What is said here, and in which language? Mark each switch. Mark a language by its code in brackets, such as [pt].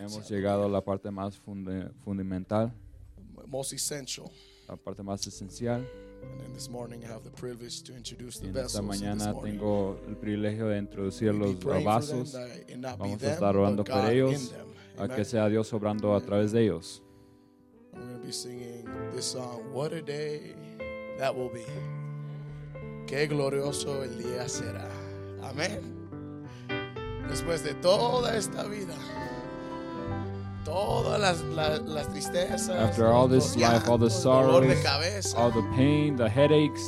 [es] Hemos llegado a la parte más fundamental. [en] Most essential. [es] La parte más esencial. [en] And then this morning I have the privilege to introduce the [es] esta [en] vessels. [es] Esta mañana [en] this [es] tengo el privilegio de introducir los vasos. Vamos a estar orando por ellos, a que sea Dios obrando a través de ellos. [en] I'm going to be singing this song. What a day that will be. [es] Qué glorioso el día será. Amén. Después de toda esta vida, todas las tristezas, [en] after all this life, all the sorrows, all the pain, the headaches,